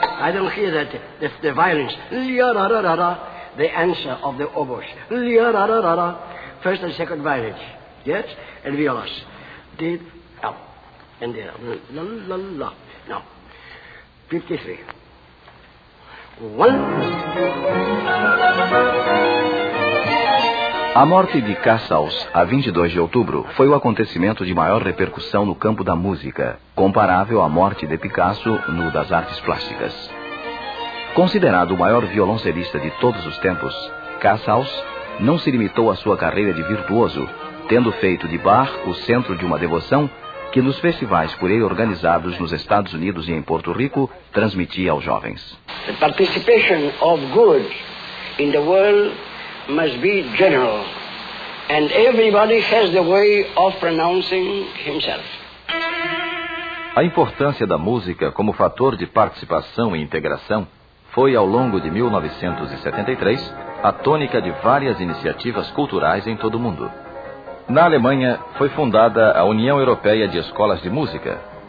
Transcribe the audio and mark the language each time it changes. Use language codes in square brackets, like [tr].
[en] I don't hear that, the violins, the answer of the oboes, first and second violins, yes, and violas, did, oh, and there, la, la, la, now, 53, one. [pt] A morte de Casals, a 22 de outubro, foi o acontecimento de maior repercussão no campo da música, comparável à morte de Picasso no das artes plásticas. Considerado o maior violoncelista de todos os tempos, Casals não se limitou à sua carreira de virtuoso, tendo feito de Bach o centro de uma devoção que nos festivais por ele organizados nos Estados Unidos e em Porto Rico transmitia aos jovens. [en] The participation of good in the world must be general, and everybody has the way of pronouncing himself. [pt] A importância da música como fator de participação e integração foi, ao longo de 1973, a tônica de várias iniciativas culturais em todo o mundo. Na Alemanha, foi fundada a União Europeia de Escolas de Música.